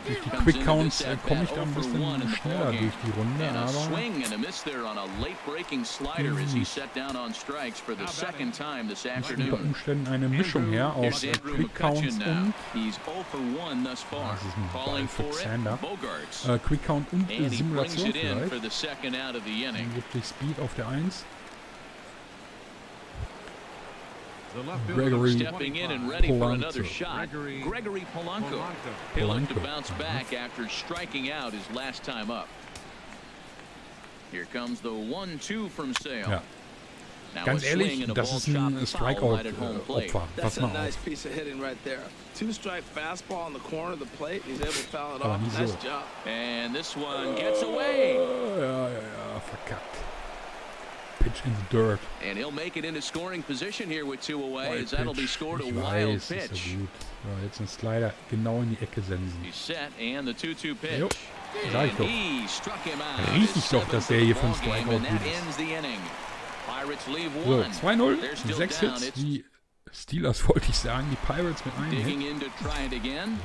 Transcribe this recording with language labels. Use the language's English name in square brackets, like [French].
[German] Durch die Quick Counts komme ich da ein bisschen schneller durch die Runde, aber. [English] Swing and a miss there on a late breaking slider as he set down on strikes for the second time this afternoon. [German] Unter Umständen eine Mischung her aus Quick Counts und. [English] He's 0 for 1 thus far. Calling for it. Bogarts. [German] Quick Count und Simulation vielleicht. Dann gibt es Speed auf der 1. [English] Gregory stepping in and ready for another shot. Gregory Polanco. He looked to bounce back after striking out his last time up. Here comes the 1-2 from Sale. [German] Ja. Ganz ehrlich, das ist ein Strikeout-Opfer. Pass mal auf. [English] Two strike fastball on the corner of the plate. He's able to foul it off. Nice job. And this one gets away. [German] Ja, verkackt. [English] In the dirt. And he'll make it into scoring position here with two away. Wild as that'll pitch. Be scored a wild weiß, pitch. [German] Ja, jetzt ein Slider genau in die Ecke senden. [English] He's set and the 2-2 pitch. [German] Ja, [English] and he struck him out. [German] Riecht doch, dass der hier vom Strikeout gut ist. [English] Pirates leave one. [German] So, 2-0, 6 Hits. Die Steelers wollte ich sagen, die Pirates mit einem Hit.